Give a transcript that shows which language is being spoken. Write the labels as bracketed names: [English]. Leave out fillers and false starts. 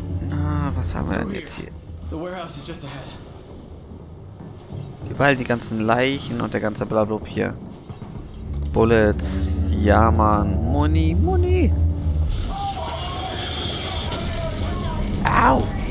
[German] Na, was haben wir denn jetzt hier? [English] The warehouse is just ahead. [German] Weil die ganzen Leichen und der ganze Blablub hier. Bullets, ja man, Muni, Muni. Au!